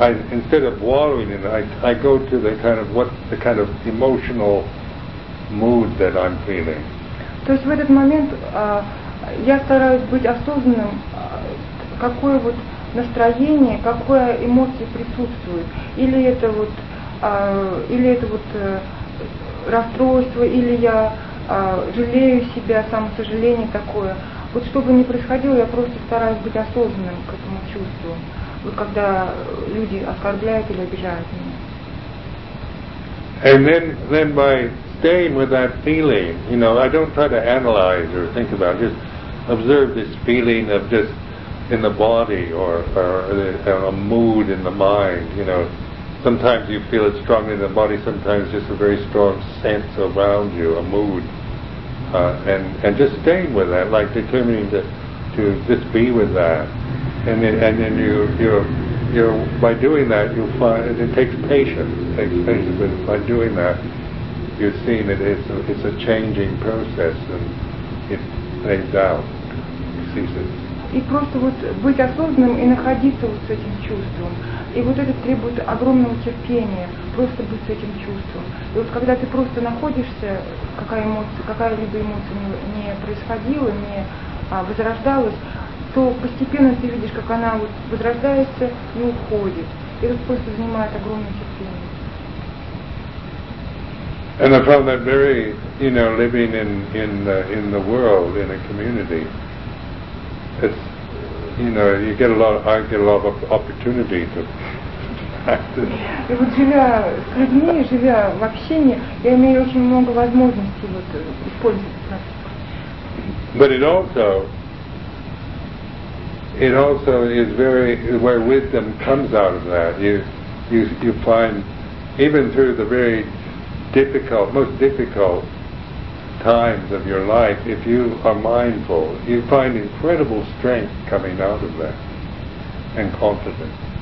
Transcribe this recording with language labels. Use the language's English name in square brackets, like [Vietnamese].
[English] Instead of wallowing in it, I go to the kind of emotional mood that I'm feeling. [Russian] То есть в этот момент я стараюсь быть осознанным, какое вот настроение, какое эмоции присутствует, или это расстройство, или я жалею себя, самосожаление такое. Вот что бы ни происходило, я просто стараюсь быть осознанным к этому чувству. Вот когда люди оскорбляют или обижают меня. [English] And then by staying with that feeling, you know, I don't try to analyze or think about it, just observe this feeling of just in the body or a mood in the mind, you know. Sometimes you feel it strongly in the body, sometimes just a very strong sense around you, a mood. And just staying with that, like determining to just be with that. And then you're by doing that you find it takes patience, but by doing that you see that it's a changing process and it fades out, ceases. [Russian] И просто вот быть осознанным и находиться вот с этим чувством. И вот это требует огромного терпения, просто быть с этим чувством. И вот когда ты просто находишься, какая-либо эмоция не происходила, не возрождалась, то постепенно ты видишь, как она вот возрождается и уходит. И это просто занимает огромное терпение. [English] And I found that very, you know, living in the world, in a community, it's, you know, I get a lot of opportunity to practice. [Russian] И вот живя с людьми, живя в общении, я имею очень много возможностей вот использовать. [English] But it also is very where wisdom comes out of that. You find even through the very difficult, most difficult times of your life, if you are mindful, you find incredible strength coming out of that and confidence.